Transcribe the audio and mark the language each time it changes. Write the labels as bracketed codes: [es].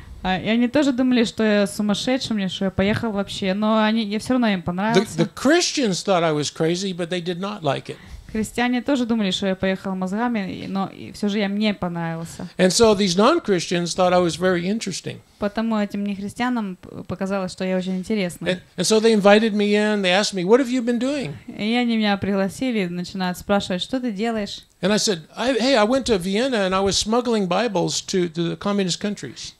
[ru] И они тоже думали, что я сумасшедший, мне, что я поехал вообще, но они, я все равно им понравился. [en] The Christians thought I was crazy, but they did not like it. [ru] Христиане тоже думали, что я поехал мозгами, но все же я мне понравился. [en] And so these non-Christians thought I was very interesting. [ru] Потому этим нехристианам показалось, что я очень интересный. [en] And so they invited me in, they asked me, what have you been doing? [ru] И они меня пригласили, начинают спрашивать, что ты делаешь? [en] And I said, hey, I went to Vienna and I was smuggling Bibles to the communist countries.